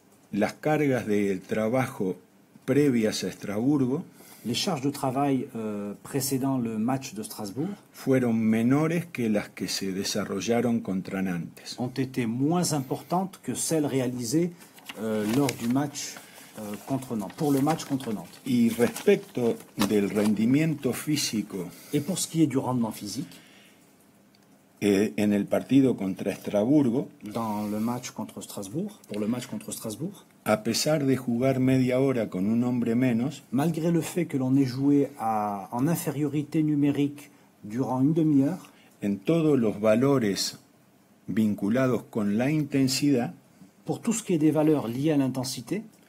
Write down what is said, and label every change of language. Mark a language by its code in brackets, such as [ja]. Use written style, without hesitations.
[es] Las cargas de trabajo previas a Estrasburgo. [fr] Les charges de travail précédant le match de Strasbourg [es] fueron menores que las que se desarrollaron contra Nantes. [fr] Ont été moins importantes que celles réalisées lors du match contre Nantes. Pour le match contre Nantes. [es] Y respecto del rendimiento físico. [fr] Et pour ce qui est du rendement physique. [es] En el partido contra Estrasburgo. [fr] Dans le match contre Strasbourg. Pour le match contre Strasbourg. [es] A pesar de jugar media hora con un hombre menos, [fr] malgré le fait que l'on ait joué en infériorité numérique durant une demi-heure, [es] en todos los valores vinculados con la intensidad, [fr] pour tout ce qui est des valeurs liées à l'intensité,